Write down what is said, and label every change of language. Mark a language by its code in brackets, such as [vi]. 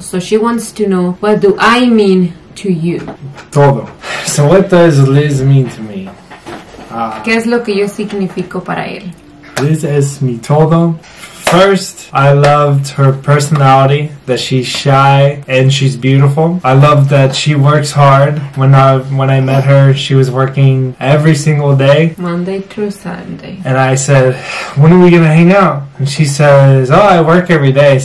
[en] So she wants to know, what do I mean to you? [es] Todo. [en] So what does Liz mean to me? [es] ¿Qué es lo que yo significo para él? Liz es mi todo. [en] First, I loved her personality, that she's shy and she's beautiful. I loved that she works hard. When I met her, she was working every single day. Monday through Sunday. And I said, when are we going to hang out? And she says, oh, I work every day.